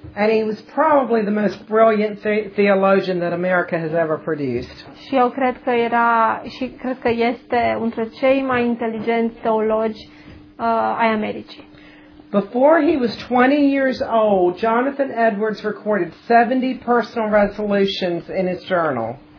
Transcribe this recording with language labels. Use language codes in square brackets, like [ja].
[en] And he was probably the most brilliant theologian that America has ever produced. [ro] Și eu cred că era și cred că este unul dintre cei mai inteligenți teologi ai Americii. [en] Before he was 20 years old, Jonathan Edwards recorded 70 personal resolutions in his journal.